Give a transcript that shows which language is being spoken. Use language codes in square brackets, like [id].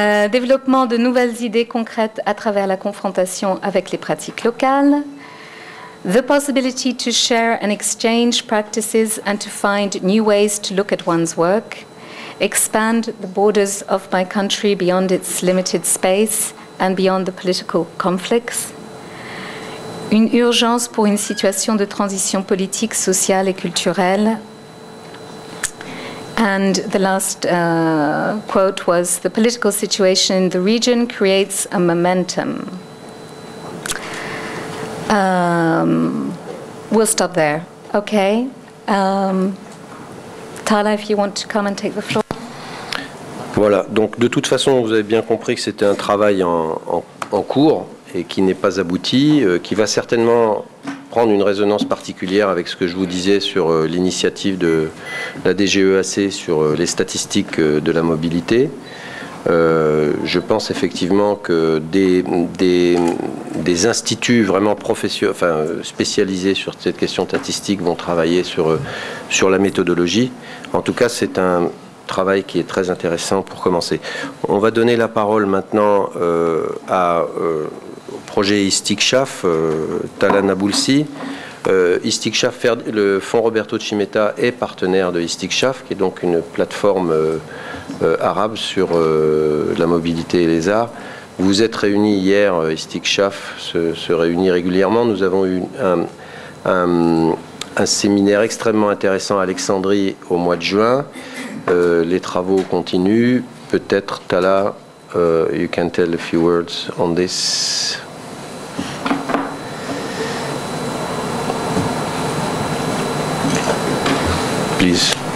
[fr] Développement de nouvelles idées concrètes à travers la confrontation avec les pratiques locales. [en] The possibility to share and exchange practices and to find new ways to look at one's work, expand the borders of my country beyond its limited space and beyond the political conflicts. [fr] Une urgence pour une situation de transition politique, sociale et culturelle. [en] And the last quote was, the political situation in the region creates a momentum. We'll stop there. Okay. Tala, if you want to come and take the floor. [fr] Voilà. Donc, de toute façon, vous avez bien compris que c'était un travail en cours et qui n'est pas abouti, qui va certainement prendre une résonance particulière avec ce que je vous disais sur l'initiative de la DGEAC sur les statistiques de la mobilité. Je pense effectivement que des instituts vraiment spécialisés sur cette question statistique vont travailler sur la méthodologie. En tout cas, c'est un travail qui est très intéressant pour commencer. On va donner la parole maintenant au projet Istikshaf, Tala Nabulsi. Istikshaf, le fonds Roberto Cimetta est partenaire de Istikshaf, qui est donc une plateforme arabe sur la mobilité et les arts. Vous êtes réunis hier, Istikshaf se réunit régulièrement. Nous avons eu un séminaire extrêmement intéressant à Alexandrie au mois de juin. Les travaux continuent. Peut-être, [en] Tala, you can tell a few words on this. Please.